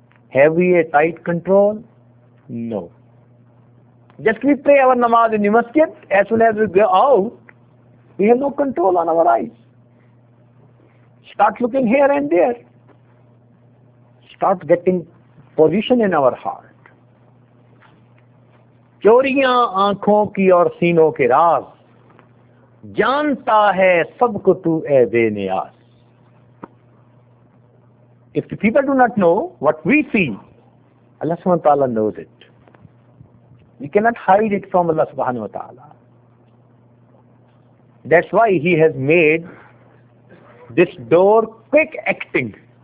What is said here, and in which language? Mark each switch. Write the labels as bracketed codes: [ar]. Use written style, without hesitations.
[en] Have we a tight control? No. Just we pray our namaz in the masjid, as soon as we go out, we have no control on our eyes. Start looking here and there. Start getting position in our heart. [ur] چوریاں آنکھوں کی اور سینوں کے راز جانتا ہے سب کو تو اے بے نیاز. [en] If the people do not know what we see, Allah subhanahu wa ta'ala knows it. We cannot hide it from Allah subhanahu wa ta'ala. That's why He has made this door quick acting.